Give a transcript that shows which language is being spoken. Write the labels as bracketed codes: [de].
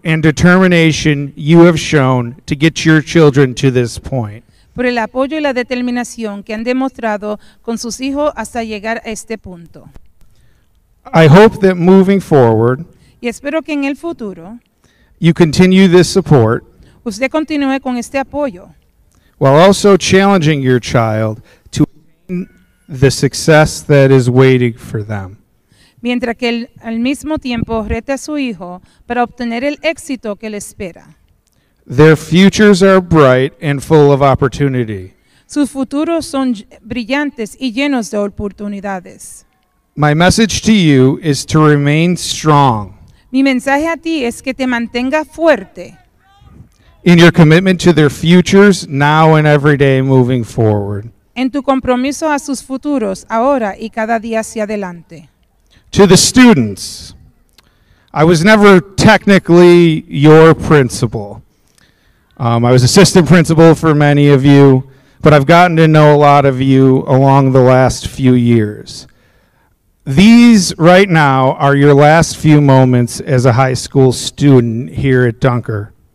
[en] and determination you have shown to get your children to this point. [es] Por el apoyo y la determinación que han demostrado con sus hijos hasta llegar a este punto. [en] I hope that moving forward, [es] y espero que en el futuro, [en] you continue this support, [es] usted continúe con este apoyo, [en] while also challenging your child to attain the success that is waiting for them. [es] Mientras que al mismo tiempo rete a su hijo para obtener el éxito que le espera. [en] Their futures are bright and full of opportunity. [es] Sus futuros son brillantes y llenos de oportunidades. [en] My message to you is to remain strong. [es] Mi mensaje a ti es que te mantenga fuerte. [en] In your commitment to their futures, now and every day moving forward. [es] En tu compromiso a sus futuros, ahora y cada día hacia adelante. [en] To the students, I was never technically your principal. I was assistant principal for many of you, but I've gotten to know a lot of you along the last few years. These right now are your last few moments as a high school student here at Dunker.